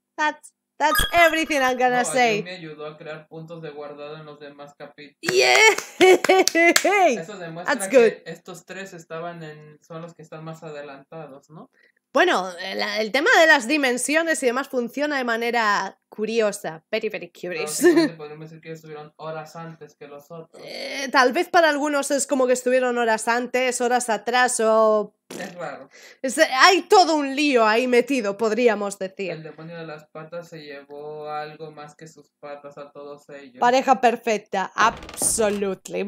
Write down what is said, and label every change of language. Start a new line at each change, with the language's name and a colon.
English: That's everything I'm gonna say.
Spanish: Me ayudó a crear puntos de guardado en los demás capítulos.
English: ¡Yeah!
Spanish: Eso demuestra que estos tres son los que están más adelantados, ¿no? Bueno, el tema de las dimensiones y demás funciona de manera curiosa.
English: Very, very curious.
Spanish: Podríamos decir que estuvieron horas antes que los otros. Tal vez para algunos es como que estuvieron horas antes, horas atrás o... Es raro. Hay todo un lío ahí metido, podríamos decir. El demonio de las patas se llevó algo más que sus patas a todos ellos. Pareja perfecta,
English: absolutely.